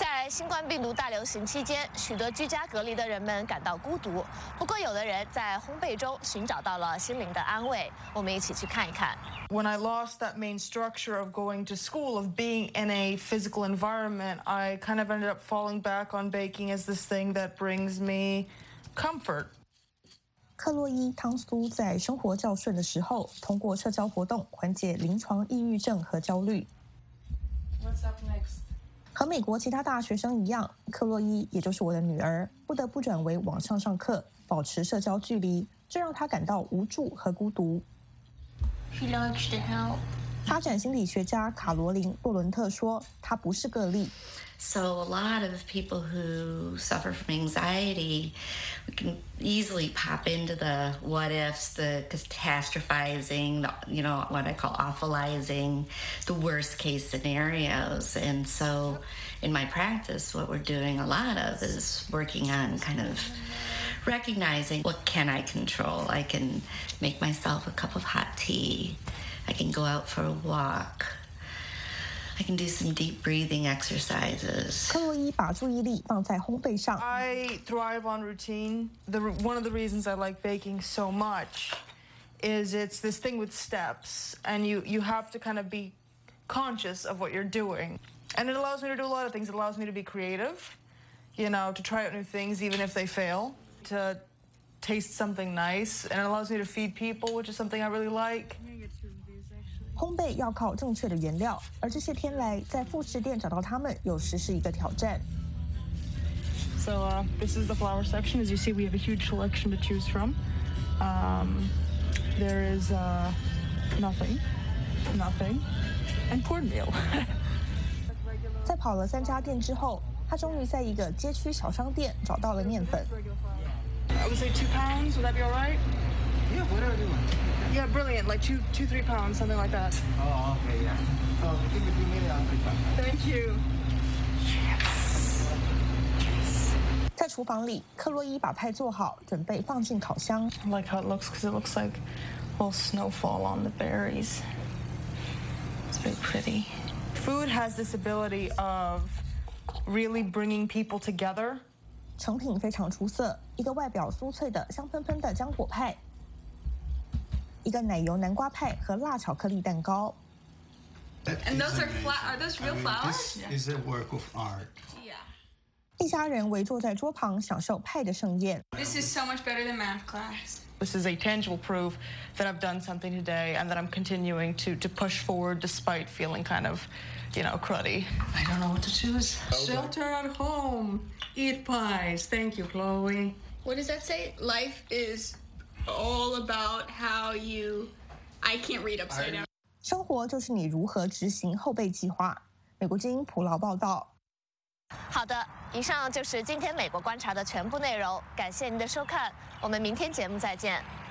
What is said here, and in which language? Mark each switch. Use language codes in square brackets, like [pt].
[zh] 新冠病毒大流行期间，许多居家隔离的人们感到孤独，不过有的人在烘焙中寻找到了心灵的安慰，我们一起去看一看。 [en] When I lost that main structure of going to school, of being in a physical environment, I kind of ended up falling back on baking as this thing that brings me comfort. [zh] 克洛伊·汤苏在生活较顺的时候，通过社交活动缓解临床抑郁症和焦虑。 [en] What's up next? [zh] 和美国其他大学生一样，克洛伊也就是我的女儿，不得不转为网上上课，保持社交距离，这让她感到无助和孤独。 [en] She likes to help. [zh] 发展心理学家卡罗琳·洛伦特说，她不是个例。 [en] So a lot of people who suffer from anxiety can easily pop into the what ifs, the catastrophizing, the, you know, what I call awfulizing, the worst case scenarios. And so in my practice, what we're doing a lot of is working on kind of recognizing what can I control. I can make myself a cup of hot tea. I can go out for a walk. I can do some deep breathing exercises. [zh] 克洛伊把注意力放在烘焙上。 [en] I thrive on routine. One of the reasons I like baking so much is it's this thing with steps, and you have to kind of be conscious of what you're doing. And it allows me to do a lot of things. It allows me to be creative, you know, to try out new things, even if they fail, to taste something nice. And it allows me to feed people, which is something I really like. [zh] 烘焙要靠正确的原料，而这些天来在副食店找到它们，有时是一个挑战。 [en] So, this is the flower section. As you see, we have a huge selection to choose from. There is nothing, and cornmeal. [zh] 在跑了三家店之后，他终于在一个街区小商店找到了面粉。 [en] I would say 2 pounds. Would that be all right? Yeah, whatever you want. Yeah, brilliant, like two, three pounds, something like that. Oh, okay, yeah. So, give me 3 minutes. Thank you. Yes. [zh] 在厨房里，克洛伊把派做好，准备放进烤箱。 [en] I like how it looks, because it looks like a little snowfall on the berries. It's very pretty. Food has this ability of really bringing people together. [zh] 成品非常出色，一个外表酥脆的香喷喷的浆果派。一个奶油南瓜派和辣巧克力蛋糕。 [en] And those are flat. Are those real flowers? This is a work of art. Yeah. [zh] 一家人围坐在桌旁，享受派的盛宴。 [en] This is so much better than math class. This is a tangible proof that I've done something today and that I'm continuing to push forward despite feeling kind of, you know, cruddy. I don't know what to choose. Shelter at home. Eat pies. Thank you, Chloe. What does that say? Life is. All about how you, I can't read upside down. [zh] 生活就是你如何执行后备计划。美国之音普劳报道。好的，以上就是今天美国观察的全部内容。感谢您的收看，我们明天节目再见。